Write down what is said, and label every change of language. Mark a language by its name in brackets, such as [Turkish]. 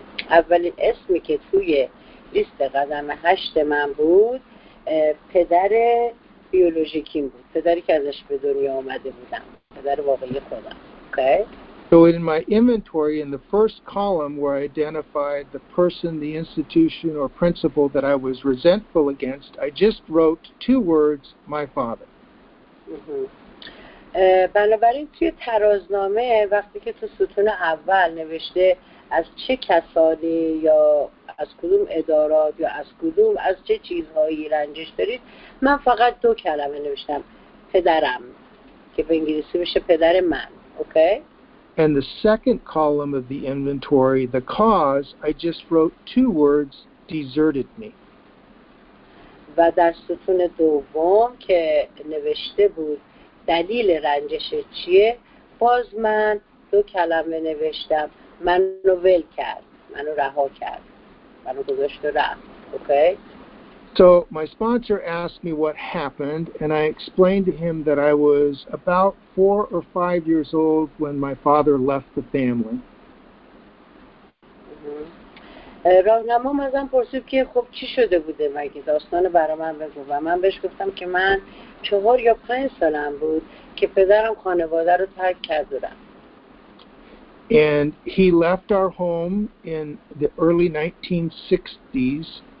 [Persian] اولین اسمی که توی لیست قدم 8 من بود پدر بیولوژیکیم بود، پدری که ازش به دنیا آمده بودم، پدر واقعی خودم. [English] Okay? So in my inventory, in the first column where I identified the person, the institution, or principal that I was resentful against, I just wrote two words, my father. [Persian] بنابراین توی ترازنامه وقتی که تو ستون اول نوشته از چه کسانی یا از کدوم ادارات یا از کدوم از چه چیزهایی رنجش دارید، من فقط دو کلمه نوشتم، پدرم، که به انگلیسی میشه پدر من. [English] Okay? And the second column of the inventory, the cause, I just wrote two words, deserted me. [Persian] و در ستون دوم که نوشته بود دلیل رنجش چیه، باز من دو کلمه نوشتم، منو ول کرد، منو رها کرد، منو گذاشت و رفت. [English] Okay? So my sponsor asked me what happened, and I explained to him that I was about 4 or 5 years old when my father left the family. [Persian] راهنما مازم پرسید که خب چی شده بوده مگه، داستان برام بگو. و من بهش گفتم که من 4 یا 5 سالم بود که پدرم خانواده رو ترک کرد بودم. [English] And he left our home in the early 1960s.